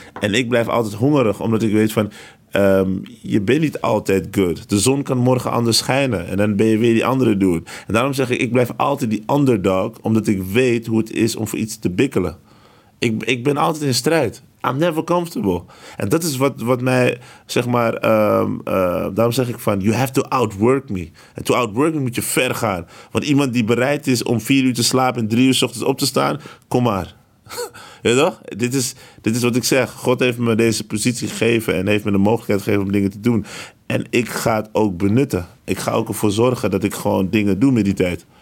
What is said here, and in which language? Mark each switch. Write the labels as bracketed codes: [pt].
[nl] En ik blijf altijd hongerig, omdat ik weet van, je bent niet altijd good. De zon kan morgen anders schijnen. En dan ben je weer die andere dude. En daarom zeg ik blijf altijd die underdog. Omdat ik weet hoe het is om voor iets te bikkelen. Ik ben altijd in strijd. [en] I'm never comfortable. [nl] En dat is wat mij, zeg maar... daarom zeg ik van, [en] you have to outwork me. [nl] En [en] to outwork me [nl] moet je ver gaan. Want iemand die bereid is om 4 uur te slapen en 3 uur 's ochtends op te staan, kom maar. Ja, toch? Dit is wat ik zeg. God heeft me deze positie gegeven en heeft me de mogelijkheid gegeven om dingen te doen. En ik ga het ook benutten. Ik ga ook ervoor zorgen dat ik gewoon dingen doe met die tijd.